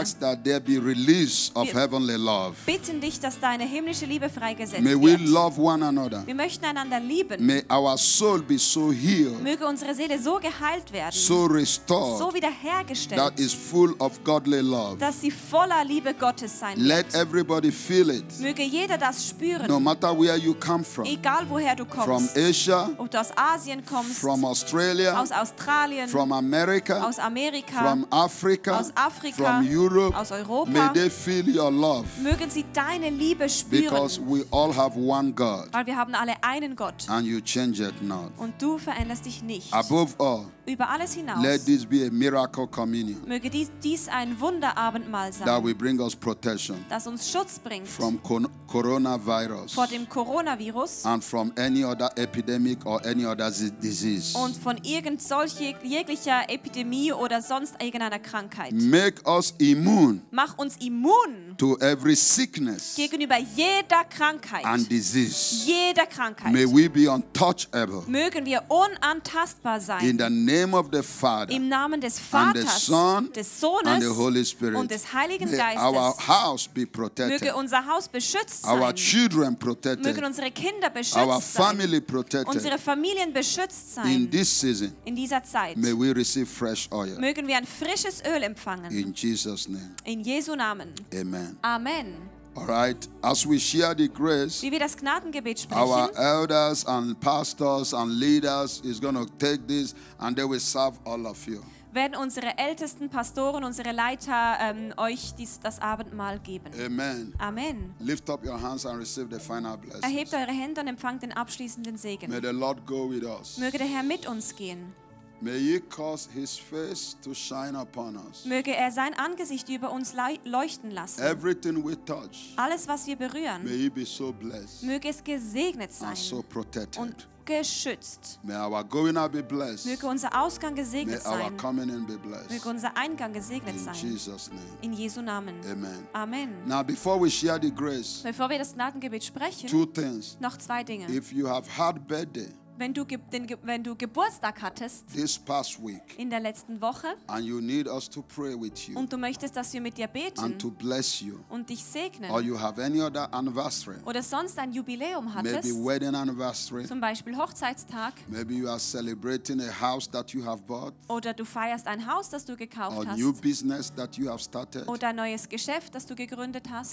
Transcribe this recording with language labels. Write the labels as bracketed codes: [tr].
[en] ask that there be release of heavenly love. [de] Wir bitten dich, dass deine himmlische Liebe freigesetzt wird. [en] May we love one another. [de] Wir möchten einander lieben. [en] May our soul be so healed. [de] Möge unsere Seele so geheilt werden. [en] So restored. [de] So wiederhergestellt. [en] That is full of godly love. [de] Dass sie voller Liebe Gottes sein. [en] Let everybody feel it. [de] Möge jeder das spüren. [en] No matter where you come from. [de] Egal woher du kommst. [en] From Asia. [de] Ob du aus Asien kommst. [en] From Australia. [de] Aus Australien. [en] From America. [de] Aus Amerika. [en] From Africa. [de] Aus Afrika. [en] From Europe. [de] Aus Europa. [en] May they feel your love. [de] Mögen sie deine Liebe spüren. [en] Because we all have one God. [de] Weil wir haben alle einen Gott. [en] And you change it not. [de] Und du veränderst dich nicht. [en] Above all. [de] Über alles hinaus. [en] Let this be a miracle communion. [de] Möge dies ein Wunderabendmahl sein. [en] That will bring us protection. [de] Das uns Schutz bringt [en] from coronavirus [de] vor dem Coronavirus [en] and from any other epidemic or any other disease [de] und von irgend solche jeglicher Epidemie oder sonst irgendeiner Krankheit. [en] Make us immune. [de] Mach uns immun [en] to every sickness [de] gegenüber jeder Krankheit [en] and disease. [de] Jeder Krankheit. [en] May we be untouchable. [de] Mögen wir unantastbar sein. [en] In the name of the Father. [de] Im Namen des Vaters, [en] and the Son, [de] des Sohnes [en] and the Holy Spirit [de] und des Heiligen [en] May [de] Geistes. [en] Our house be protected. [de] Möge unser Haus beschützt sein. [en] Our children protected. [de] Mögen unsere Kinder beschützt [en] our [de] sein. [en] Family protected. [de] Unsere Familien beschützt sein. [en] In this season. [de] In dieser Zeit. [en] May we receive fresh oil. [de] Mögen wir ein frisches Öl empfangen. [en] In Jesus name. [de] In Jesu Namen. [en] Amen. [de] Amen. [en] All right. As we share the grace, [de] wie wir das Gnadengebet sprechen, [en] our elders and pastors and leaders is going to take this and they will serve all of you. [de] Werden unsere ältesten Pastoren, unsere Leiter euch das Abendmahl geben. [en] Amen. [de] Amen. [en] Lift up your hands and receive the final blessings. [de] Erhebt eure Hände und empfangt den abschließenden Segen. [en] May the Lord go with us. [de] Möge der Herr mit uns gehen. [en] May he cause his face to shine upon us. [de] Möge er sein Angesicht über uns leuchten lassen. [en] Everything we touch. [de] Alles, was wir berühren. [en] May he be so blessed. [de] Möge es gesegnet sein. [en] And so protected. [de] Und geschützt. [en] May our going out be blessed. [de] Möge unser Ausgang gesegnet [en] May our [de] sein. [en] Coming in be blessed. [de] Möge unser Eingang gesegnet [en] in [de] sein. [en] Jesus name. [de] In Jesu Namen. [en] Amen. [de] Amen. [en] Now before we share the grace, [de] bevor wir das Gnadengebet sprechen, [en] two things. [de] Noch zwei Dinge. [en] If you have had birthday, [de] wenn du Geburtstag hattest [en] this past week, [de] in der letzten Woche [en] and you need us to pray with you, [de] und du möchtest, dass wir mit dir beten [en] and to bless you, [de] und dich segnen [en] or you have any other anniversary, [de] oder sonst ein Jubiläum hattest, [en] maybe wedding anniversary, [de] zum Beispiel Hochzeitstag, [en] maybe you are celebrating a house that you have bought, [de] oder du feierst ein Haus, das du gekauft [en] or [de] hast, [en] new business that you have started, [de] oder ein neues Geschäft, das du gegründet hast,